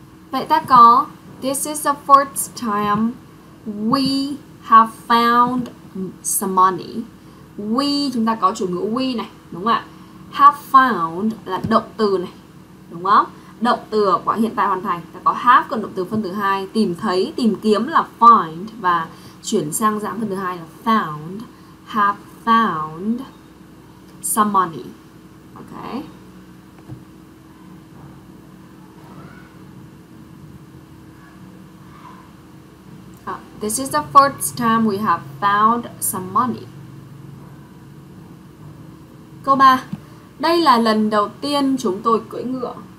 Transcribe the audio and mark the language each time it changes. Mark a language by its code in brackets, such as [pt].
[vi] Vậy ta có [en] this is the fourth time we have found some money. [vi] We, chúng ta có chủ ngữ we này, đúng không ạ? [en] Have found [vi] là động từ này, đúng không? Động từ ở quá hiện tại hoàn thành, ta có have còn động từ phân thứ hai, tìm thấy, tìm kiếm là find và chuyển sang dạng phân thứ hai là found. [en] Have found some money. Ok. This is the first time we have found some money. [vi] Câu 3. Đây là lần đầu tiên chúng tôi cưỡi ngựa.